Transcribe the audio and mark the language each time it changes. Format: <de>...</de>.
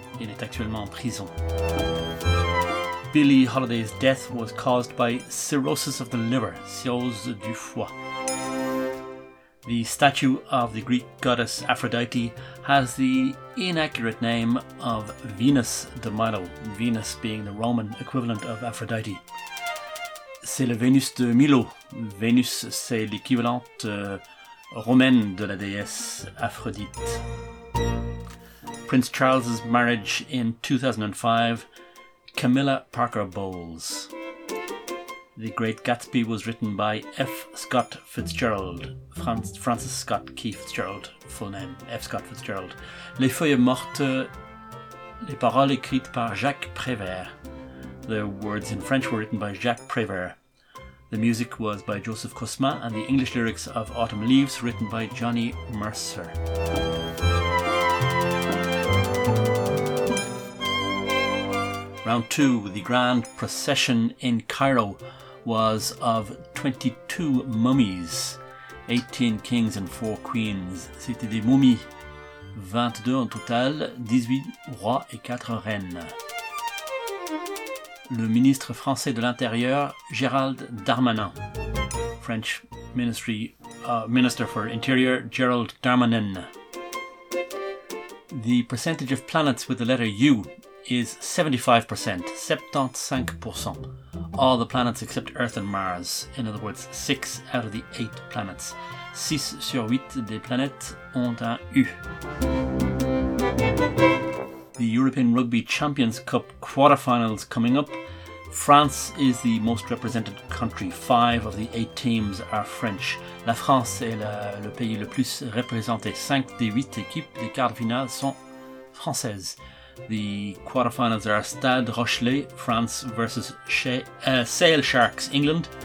<fr>Il est actuellement en prison.</fr> <en>Billie Holiday's death was caused by cirrhosis of the liver,</en> <fr>cirrhose du foie.</fr> <en>The statue of the Greek goddess Aphrodite has the inaccurate name of Venus de Milo, Venus being the Roman equivalent of Aphrodite.</en> <fr>C'est le Venus de Milo. Venus, c'est l'équivalent romaine de la déesse Aphrodite.</fr> <en>Prince Charles' marriage in 2005, Camilla Parker Bowles. The Great Gatsby was written by F. Scott Fitzgerald, Francis Scott Key Fitzgerald, full name, F. Scott Fitzgerald.</en> <fr>Les Feuilles Mortes, les paroles écrites par Jacques Prévert.</fr> <en>The words in French were written by Jacques Prévert. The music was by Joseph Kosma and the English lyrics of Autumn Leaves written by Johnny Mercer. Round two, the grand procession in Cairo was of 22 mummies, 18 kings and 4 queens.</en> <fr>C'était des mummies, 22 en total, 18 rois et 4 reines. Le ministre français de l'Intérieur, Gérald Darmanin.</fr> <en>French Ministry, Minister for Interior, Gérald Darmanin. The percentage of planets with the letter U is 75%, 75%. All the planets except Earth and Mars. In other words, 6 out of the 8 planets.</en> <fr>6 sur 8 des planètes ont un U.</fr> <en>The European Rugby Champions Cup quarterfinals coming up. France is the most represented country. 5 of the 8 teams are French.</en> <fr>La France est le pays le plus représenté. 5 des 8 équipes des quarts de finale sont françaises.</fr> <en>The quarterfinals are Stade Rochelet, France versus Sale Sharks, England.</en>